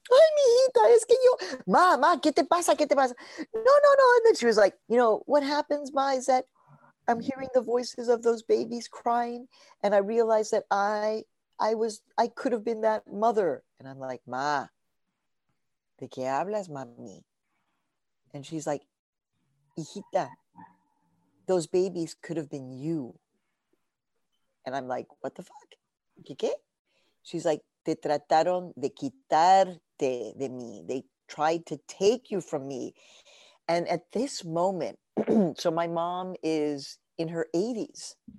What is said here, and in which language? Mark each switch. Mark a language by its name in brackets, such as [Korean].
[Spanish] Ay, mijita, es que yo, ma, ¿qué te pasa? No. [English] And then she was like, you know, what happens, ma, is that I'm hearing the voices of those babies crying, and I realize that I could have been that mother. And I'm like, ma, [Spanish] ¿de qué hablas, mami? [English] And she's like, hijita, those babies could have been you. And I'm like, what the fuck? [Spanish] ¿Qué? [English] She's like, [Spanish] te trataron de quitarte de mí. [English] They tried to take you from me. And at this moment, so my mom is in her 80s.